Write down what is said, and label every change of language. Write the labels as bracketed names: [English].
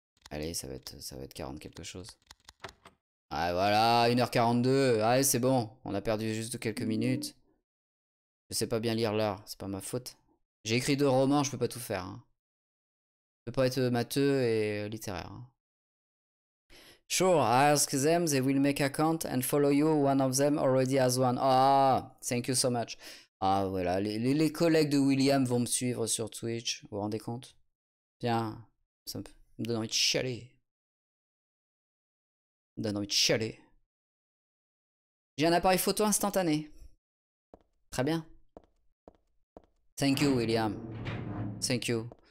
[French] Allez, ça va être 40 quelque chose. Ah voilà, 1h42. Allez, c'est bon. On a perdu juste quelques minutes. Je sais pas bien lire l'heure, c'est pas ma faute. J'ai écrit 2 romans, je peux pas tout faire. Hein. Je peux pas être matheux et littéraire. Hein. [English] Sure, I ask them, they will make account and follow you. One of them already has one. Ah, oh, thank you so much. [French] Ah voilà, les collègues de William vont me suivre sur Twitch. Vous vous rendez compte? Bien, ça me... Me donne envie de chialer. Me donne envie de chialer. J'ai un appareil photo instantané. Très bien. [English] Thank you, William. Thank you.